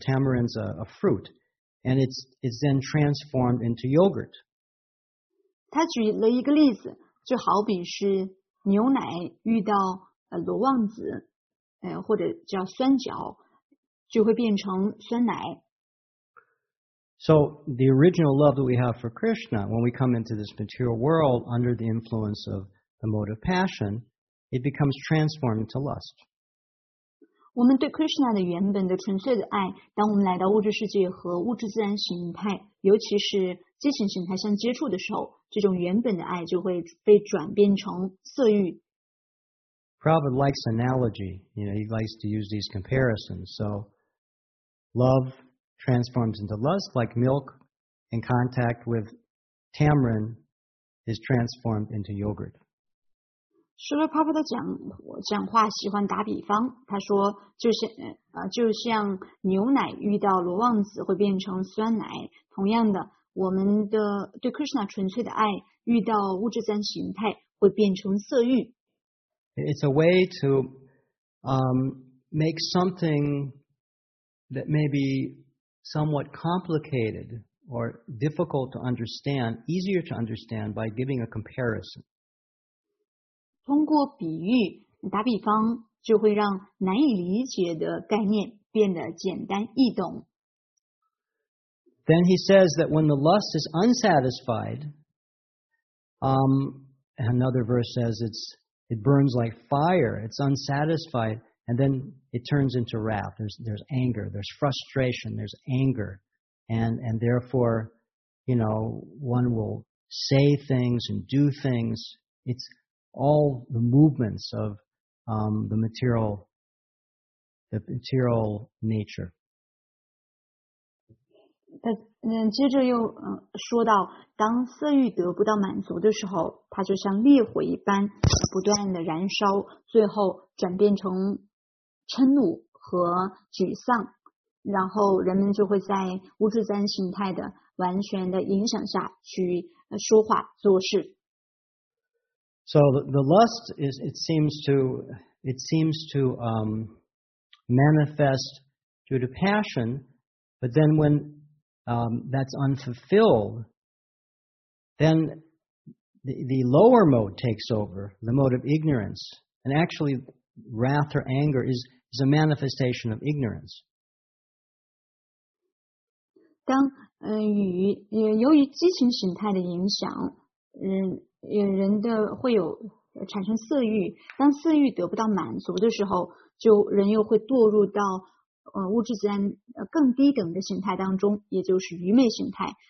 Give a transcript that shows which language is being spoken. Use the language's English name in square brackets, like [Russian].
[English] Tamarind's a fruit, and it's then transformed into yogurt. [Chinese] 他举了一个例子，就好比是牛奶遇到罗旺子，或者叫酸角，就会变成酸奶。 [English] So the original love that we have for Krishna, when we come into this material world under the influence of the motive passion, it becomes transformed into lust. [Chinese] 我们对 Krishna 的原本的纯粹的爱，当我们来到物质世界和物质自然形态，尤其是激情形态相接触的时候，这种原本的爱就会被转变成色欲。 [English] Prabhupada likes analogy, you know, he likes to use these comparisons. So, love transforms into lust, like milk in contact with tamarind is transformed into yogurt. [Chinese] 说了 Prabhupada 讲话喜欢打比方，他说就像牛奶遇到罗旺子会变成酸奶，同样的，我们的对 Krishna 纯粹的爱遇到物质自然形态会变成色欲。 [English] It's a way to make something that may be somewhat complicated or difficult to understand easier to understand by giving a comparison. [Chinese] 通过比喻打比方就会让难以理解的概念变得简单易懂。 [English] Then he says that when the lust is unsatisfied, another verse says it burns like fire, it's unsatisfied, and then it turns into wrath. There's anger, there's frustration, there's anger. And therefore, you know, one will say things and do things. It's all the movements of the material nature. [Chinese] 接着又说到，当色欲得不到满足的时候，它就像烈火一般不断的燃烧，最后转变成嗔怒和沮丧，然后人们就会在物质自然形态的完全的影响下去说话做事。 [English] So the lust is it seems to manifest due to passion, but then whenthat's unfulfilled, then the lower mode takes over, the mode of ignorance. And actually, wrath or anger is a manifestation of ignorance. [Chinese] 当由于激情形态的影响，人的会有产生色欲，当色欲得不到满足的时候，就人又会堕入到物质自然更低等的形态当中，也就是愚昧形态。